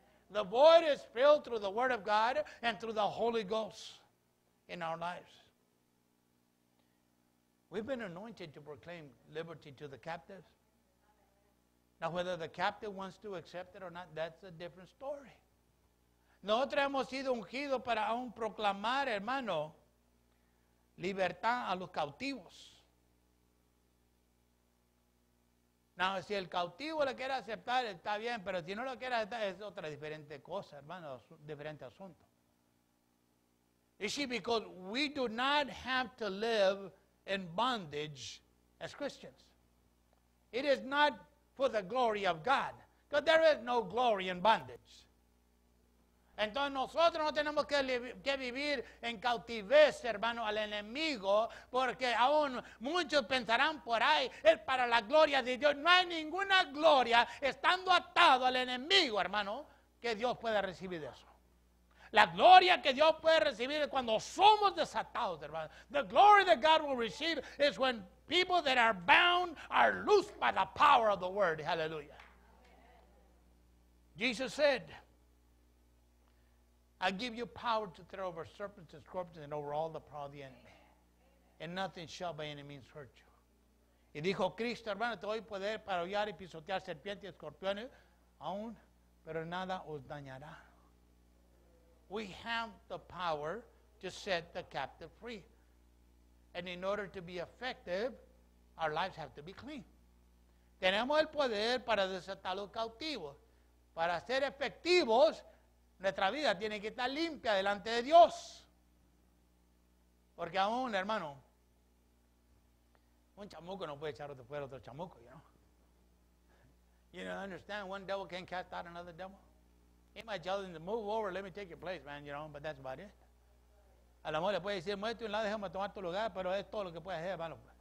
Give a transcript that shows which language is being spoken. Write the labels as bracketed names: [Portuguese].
[English] The void is filled through the word of God and through the Holy Ghost in our lives. We've been anointed to proclaim liberty to the captives. Now whether the captive wants to accept it or not, that's a different story. [Spanish] Nosotros hemos sido ungidos para aún proclamar, hermano, libertad a los cautivos. Now, si el cautivo lo quiere aceptar, está bien, pero si no lo quiere aceptar, es otra diferente cosa, hermano, diferente asunto. [English] You see, because we do not have to live in bondage as Christians. It is not for the glory of God, because there is no glory in bondage. [Spanish] Entonces nosotros no tenemos que vivir en cautivez, hermano, al enemigo, porque aún muchos pensarán por ahí, es para la gloria de Dios. No hay ninguna gloria estando atado al enemigo, hermano, que Dios pueda recibir de eso. La gloria que Dios puede recibir es cuando somos desatados, hermano. [English] The glory that God will receive is when people that are bound are loosed by the power of the word. Hallelujah. Jesus said, I give you power to throw over serpents and scorpions and over all the power of the enemy. And nothing shall by any means hurt you. [Spanish] Y dijo Cristo, hermano, te doy poder para hollar y pisotear serpientes y escorpiones aún, pero nada os dañará. [English] We have the power to set the captive free. And in order to be effective, our lives have to be clean. [Spanish] Tenemos el poder para desatar los cautivos. Para ser efectivos, nuestra vida tiene que estar limpia delante de Dios. Porque aún, hermano, un chamuco no puede echar fuera otro chamuco, [English] you know. You know, understand, one devil can't cast out another devil. He might tell them to move over, let me take your place, man, you know, but that's about it. [Spanish] A lo mejor le puede decir, muévete un lado, déjame tomar tu lugar, pero es todo lo que puede hacer, hermano.